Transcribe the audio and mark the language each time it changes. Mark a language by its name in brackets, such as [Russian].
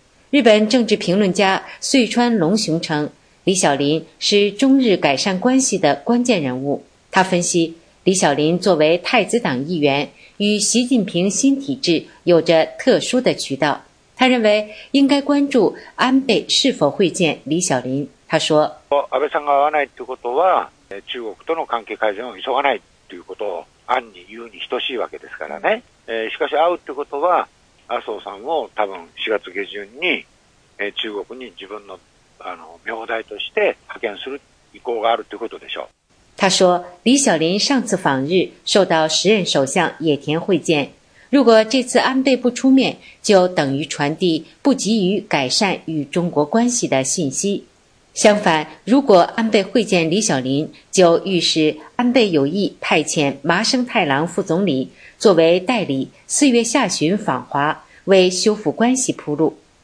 [Chinese] 日本政治评论家穗川龙雄称，李小林是中日改善关系的关键人物。他分析，李小林作为太子党议员，与习近平新体制有着特殊的渠道。他认为应该关注安倍是否会见李小林。他说， [Japanese] 安倍さんが会わないってことは中国との関係改善を急がないということを暗に言うに等しいわけですからね。しかし会うってことは麻生さんを多分4月下旬に中国に自分の名代として派遣する意向があるということでしょう。 [Chinese] 他说，李小林上次访日受到时任首相野田会见，如果这次安倍不出面，就等于传递不急于改善与中国关系的信息。相反，如果安倍会见李小林，就预示安倍有意派遣麻生太郎副总理作为代理，四月下旬访华，为修复关系铺路。